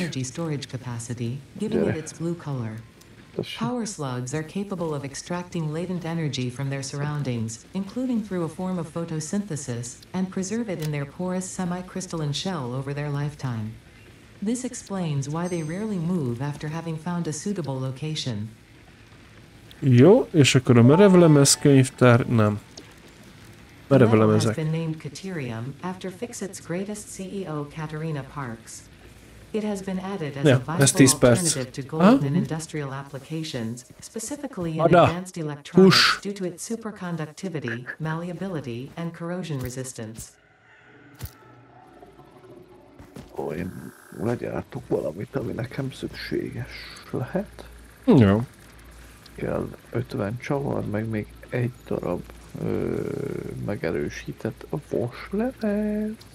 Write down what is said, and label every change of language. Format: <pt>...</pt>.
<en>Energy storage capacity, giving it its blue color. Power slugs are capable of extracting latent energy from their surroundings, including through a form of photosynthesis, and preserve it in their porous semi-crystalline shell over their lifetime. This explains why they rarely move after having found a suitable location.</en> <hu>Jó, és akkor a merevlemez könyvtár, nem. Merevlemezek.</hu> <en>Has been named Caterium after Fixit's greatest CEO Caterina Parks. It has been added as a viable alternative to gold in industrial applications, specifically in advanced electronics due to its superconductivity, malleability, and corrosion resistance.</en> <hu>Oh, én legyártok valamit, ami nekem szükséges lehet. Jó. Yeah. Kell 50 csavar, meg még egy darab megerősített vaslemez.</hu>